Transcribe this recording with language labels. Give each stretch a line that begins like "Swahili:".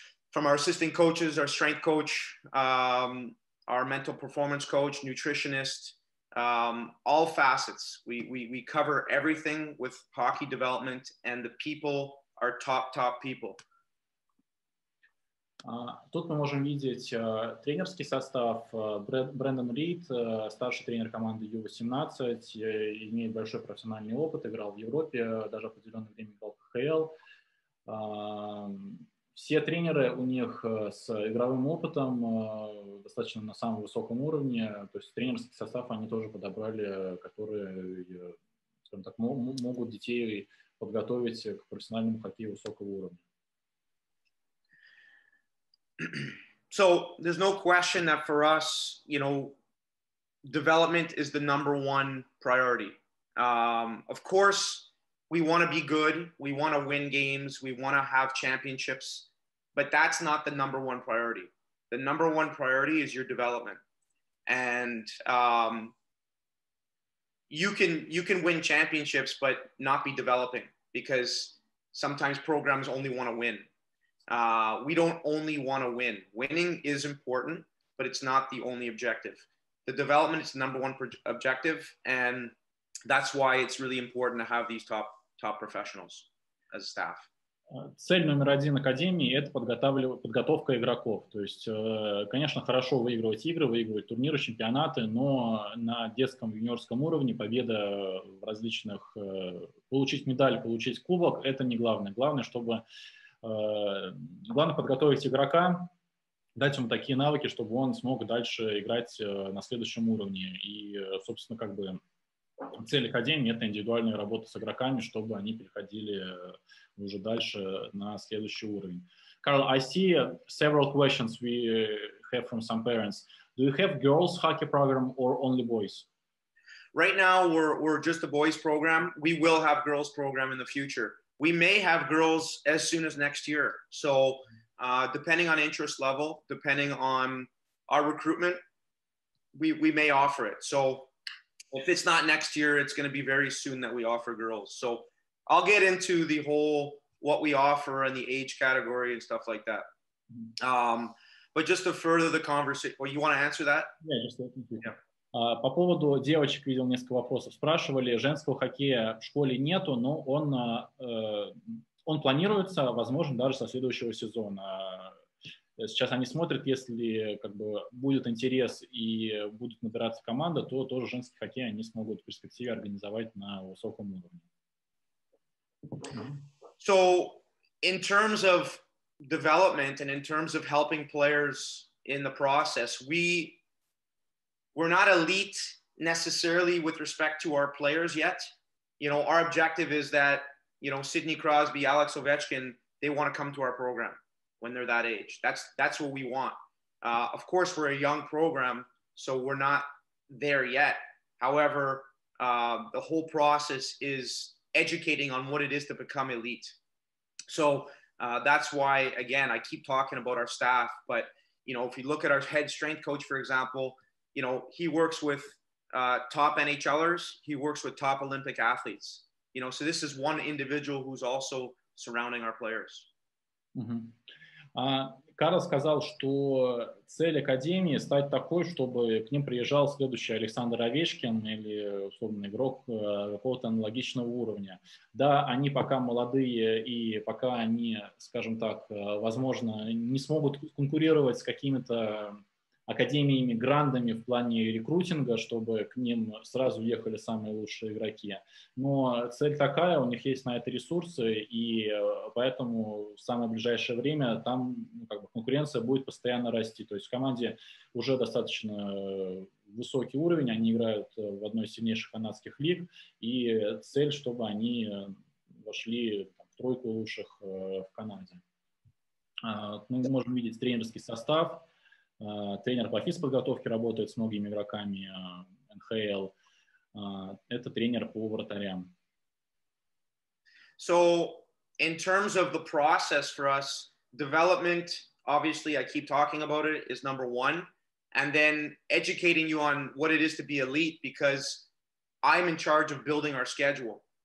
English: From our assistant coaches, our strength coach, our mental performance coach, nutritionist, all facets. We cover everything with hockey development, and the people are top people.
Russian: Тут мы можем видеть тренерский состав. Брэндон Рид, старший тренер команды U18, имеет большой профессиональный опыт, играл в Европе, даже определенное время играл в КХЛ. Все тренеры у них с игровым опытом достаточно на самом высоком уровне, то есть тренерский состав они тоже подобрали, который скажем так, могут детей подготовить к профессиональному хоккею высокого уровня.
English: So there's no question that for us, you know, development is the number one priority. Of course, we want to be good, we want to win games, we want to have championships, but that's not the number one priority. The number one priority is your development. And you can win championships, but not be developing, because sometimes programs only want to win. We don't only want to win. Winning is important, but it's not the only objective. The development is the number one objective, and that's why it's really important to have these top professionals as staff.
Russian: Цель номер один академии – это подготовка игроков. То есть, конечно, хорошо выигрывать игры, выигрывать турниры, чемпионаты, но на детском, юниорском уровне победа в различных… получить медаль, получить кубок – это не главное. Главное, чтобы… Главное подготовить игрока, дать ему такие навыки, чтобы он смог дальше играть на следующем уровне. И, собственно, как бы цель академии – это индивидуальная работа с игроками, чтобы они переходили уже дальше на следующий уровень.
English: Carl, I see several questions we have from some parents. Do you have girls hockey program or only boys? Right now we're just a boys program. We will have girls program in the future. We may have girls as soon as next year. So depending on interest level, depending on our recruitment, we may offer it. So if it's not next year, it's going to be very soon that we offer girls. So I'll get into the whole what we offer and the age category and stuff like that. But just to further the conversation, well, you want to answer that? Yeah, just thank you. Yeah.
Russian: По поводу девочек видел несколько вопросов. Спрашивали, женского хоккея в школе нету, но он планируется, возможно, даже со следующего сезона. Сейчас они смотрят, если как бы будет интерес и будет набираться команда, то тоже женский хоккей они смогут в перспективе организовать на высоком уровне.
English: So, in terms of development and in terms of helping players in the process, we're not elite necessarily with respect to our players yet. You know, our objective is that, you know, Sidney Crosby, Alex Ovechkin, they want to come to our program when they're that age. That's what we want. Of course, we're a young program, so we're not there yet. However, the whole process is educating on what it is to become elite. So that's why, again, I keep talking about our staff. But, you know, if you look at our head strength coach, for example, you know, he works with top NHLers. He works with top Olympic athletes. You know, so this is one individual who's also surrounding our players.
Russian: Карл сказал, что цель Академии стать такой, чтобы к ним приезжал следующий Александр Овечкин или условный игрок какого-то аналогичного уровня. Да, они пока молодые и пока они, скажем так, возможно, не смогут конкурировать с какими-то академиями, грандами в плане рекрутинга, чтобы к ним сразу ехали самые лучшие игроки. Но цель такая, у них есть на это ресурсы, и поэтому в самое ближайшее время там как бы конкуренция будет постоянно расти. То есть в команде уже достаточно высокий уровень, они играют в одной из сильнейших канадских лиг, и цель, чтобы они вошли там, в тройку лучших в Канаде. Мы можем видеть тренерский состав. Тренер по физподготовке работает с многими игроками НХЛ. Это тренер по вратарям.
English: So, in terms of the process for us, development, obviously, I keep talking about it, is number one. And then educating you on what it is to be elite, because I'm in charge of building our schedule.